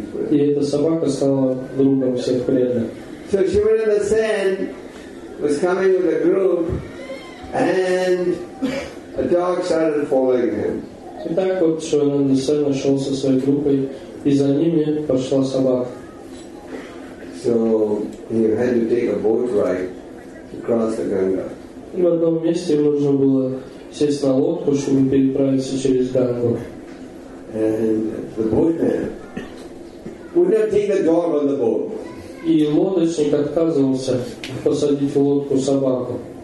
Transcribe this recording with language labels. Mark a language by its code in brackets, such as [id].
[ru] И эта собака стала другом всех преданных. [en] So Shivananda Sen was coming with a group and a dog started following him. [ru] И так вот Шивананда Сен нашел со своей группой, и за ними пошла собака. [en] So he had to take a boat ride to cross the Ganga. [ru] И в одном месте ему нужно было сесть на лодку, чтобы переправиться через Гангу. [en] And the boatman would not take the dog on the boat. [ru] И лодочник отказывался посадить в лодку собаку.